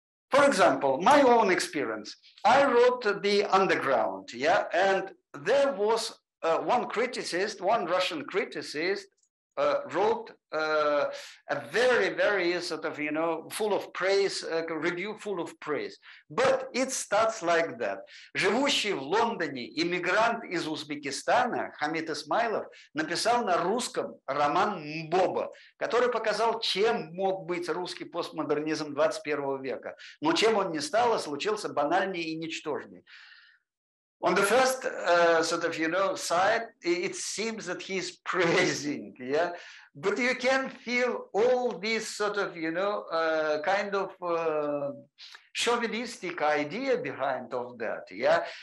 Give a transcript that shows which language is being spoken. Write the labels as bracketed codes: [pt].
[en] For example, my own experience, I wrote The Underground, yeah, and there was one Russian criticist wrote a very, very sort of, you know, full of praise, a review full of praise. But it starts like that. [ru] Живущий в Лондоне иммигрант из Узбекистана Хамид Исмайлов написал на русском роман «Мбоба», который показал, чем мог быть русский постмодернизм 21 века. Но чем он не стал, а случился банальнее и ничтожнее. [en] On the first sort of, you know, side, it seems that he's praising, yeah? But you can feel all these sort of, you know, kind of chauvinistic idea behind of that, yeah?